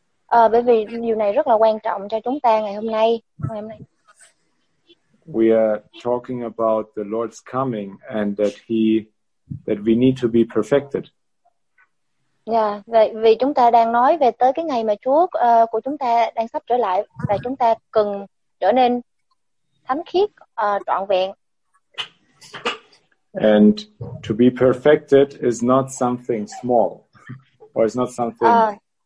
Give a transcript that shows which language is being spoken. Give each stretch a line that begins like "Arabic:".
Vietnamese: Bởi vì điều này rất là quan trọng cho chúng ta ngày hôm nay.
English: We are talking about the Lord's coming and that we need to be perfected.
Vietnamese: Yeah, vì chúng ta đang nói về tới cái ngày mà Chúa của chúng ta đang sắp trở lại và chúng ta cần trở nên thánh khiết trọn vẹn.
English: And to be perfected is not something small, or it's not something easy.